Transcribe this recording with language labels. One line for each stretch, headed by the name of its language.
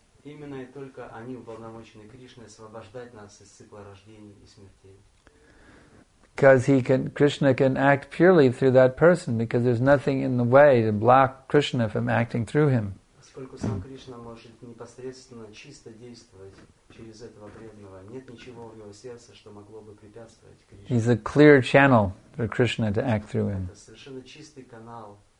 Russian: Именно и только они уполномочены Кришной освобождать нас из цикла рождения и смерти.
English: Because he can, Krishna can act purely through that person, because there's nothing in the way to block Krishna from acting through him.
Russian: Поскольку сам Кришна может непосредственно чисто действовать через этого преданного, нет ничего в его сердце, что могло бы препятствовать Кришне.
English: He's a clear channel for Krishna to act through him.
Russian: Это совершенно чистый канал.